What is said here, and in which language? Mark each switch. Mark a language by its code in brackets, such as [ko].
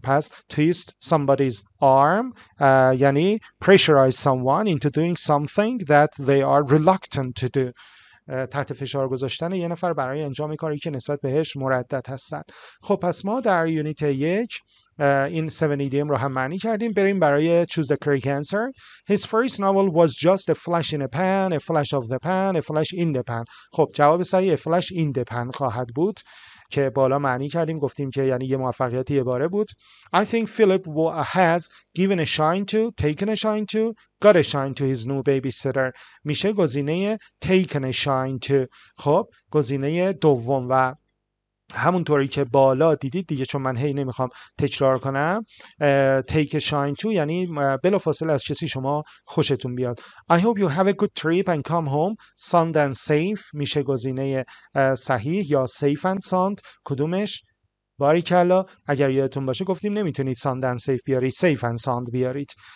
[fa] پس [en] twist somebody's arm [fa] یعنی [en] pressurize someone into doing something that they are reluctant to do، [fa] تحت فشار گذاشتن یه نفر برای انجام کاری که نسبت بهش مردد هستن. خب پس ما در یونیت یک این 7 idiom رو هم معنی کردیم. بریم برای [en] choose the correct answer. His first novel was just a flash in a pan, a flash of the pan, a flash in the pan. [fa] خب جواب صحیح [en] a flash in the pan [fa] خواهد بود که بالا معنی کردیم، گفتیم که یعنی یه موفقیت یه باره بود. [en] I think Philip has given a shine to, taken a shine to, got a shine to his new babysitter. [fa] میشه گزینه [en] taken a shine to. [fa] خب گزینه دوم و همونطوری که بالا دیدید دیگه، چون من هی نمیخوام تکرار کنم، [en] take a shine to [fa] یعنی بلافاصله از کسی شما خوشتون بیاد. [en] I hope you have a good trip and come home sound and safe. [fa] میشه گزینه صحیح یا [en] safe and sound، [fa] کدومش؟ باریکلا اگر یادتون باشه گفتیم نمیتونید [en] sound and safe [fa] بیارید، safe and sound بیارید.